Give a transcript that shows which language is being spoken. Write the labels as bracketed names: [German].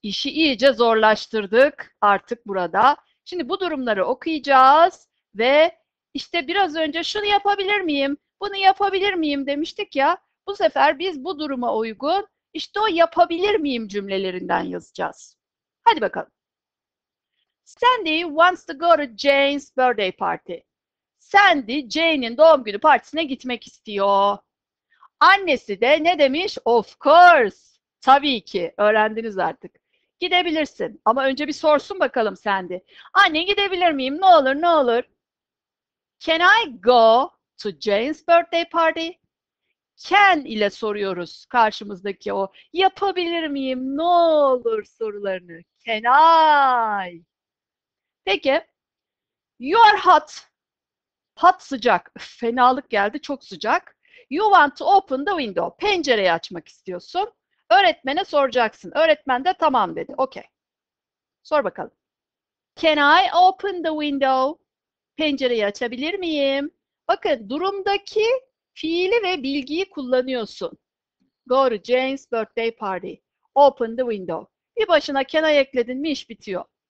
[Turkish] İşi iyice zorlaştırdık artık burada. Şimdi bu durumları okuyacağız ve işte biraz önce şunu yapabilir miyim, bunu yapabilir miyim demiştik ya. Bu sefer biz bu duruma uygun işte o yapabilir miyim cümlelerinden yazacağız. Hadi bakalım. [English] Sandy wants to go to Jane's birthday party. [Turkish] Sandy, Jane'in doğum günü partisine gitmek istiyor. Annesi de ne demiş? [English] Of course. [Turkish] Tabii ki. Öğrendiniz artık. Gidebilirsin. Ama önce bir sorsun bakalım Sandy. Anne gidebilir miyim? Ne olur ne olur. [English] Can I go to Jane's birthday party? [Turkish] Can ile soruyoruz karşımızdaki o yapabilir miyim? Ne olur sorularını. [English] Can I? [Turkish] Peki. [English] You are hot. Hot sıcak. [Turkish] Fenalık geldi. Çok sıcak. [English] You want to open the window. [Turkish] Pencereyi açmak istiyorsun. Öğretmene soracaksın. Öğretmen de tamam dedi. Okey. Sor bakalım. [English] Can I open the window? [Turkish] Pencereyi açabilir miyim? Bakın durumdaki fiili ve bilgiyi kullanıyorsun. [English] Go to Jane's birthday party. Open the window. [Turkish] Bir başına [English] can I [Turkish] ekledin mi iş bitiyor.